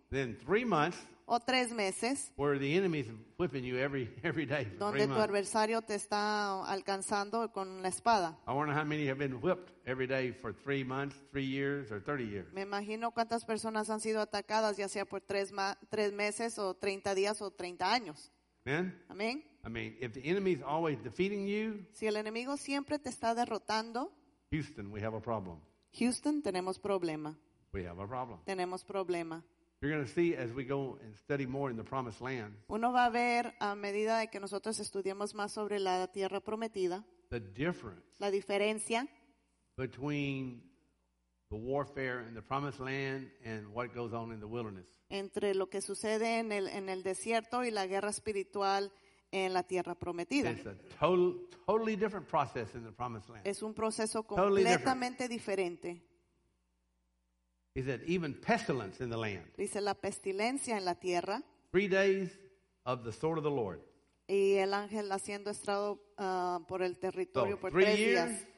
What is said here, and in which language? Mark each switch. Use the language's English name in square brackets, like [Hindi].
[English] Then 3 months. [Spanish] O 3 meses. [English] Where the enemy's whipping you every day. [Spanish] Donde tu adversario te está alcanzando con la espada. [English] I wonder how many have been whipped every day for 3 months, 3 years, or 30 years. [Spanish] Me imagino cuántas personas han sido atacadas, ya sea por tres meses o 30 días o 30 años. [English] Amen. [Spanish] Amen. [English] I mean, if the enemy's always defeating you. [Spanish] Si el enemigo siempre te está derrotando. [English] Houston, we have a problem. [Spanish] Houston, tenemos problema. [English] We have a problem. [Spanish] Tenemos problema. [English] You're going to see as we go and study more in the Promised Land. [Spanish] Uno va a ver a medida de que nosotros estudiemos más sobre la tierra prometida. [English] The difference. [Spanish] La diferencia. [English] Between the warfare in the Promised Land and what goes on in the wilderness. [Spanish] Entre lo que sucede en el desierto y la guerra espiritual en la tierra prometida. [English] It's a totally different process in the Promised Land. [Spanish] Es un proceso completamente diferente. [English] He said, even pestilence in the land. [Spanish] Dice la pestilencia en la tierra. [English] 3 days of the sword of the Lord. [Spanish] Y el ángel haciendo estrado por el territorio por [English] 3 years.